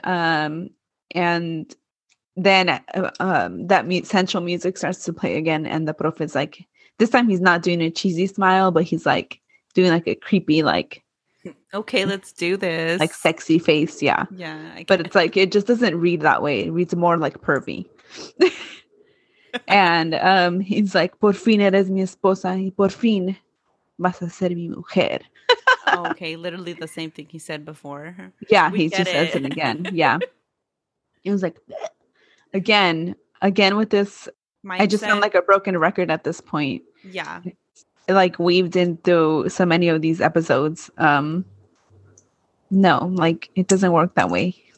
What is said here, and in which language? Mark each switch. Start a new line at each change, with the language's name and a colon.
English: And then sensual music starts to play again. And the prof is like, this time he's not doing a cheesy smile, but he's like doing like a creepy like. Okay, let's do this. Like sexy face, yeah. Yeah. But it's like, it just doesn't read that way. It reads more like pervy. And he's like,
Spanish: por fin eres mi esposa y por fin vas a ser mi mujer.
English: Okay, literally the same thing he said before. Yeah, he just says it again. Yeah. He was like, again with this. Mindset. I just sound like a broken record at this point. Yeah. like weaved into so many of these episodes. No, like it doesn't work that way.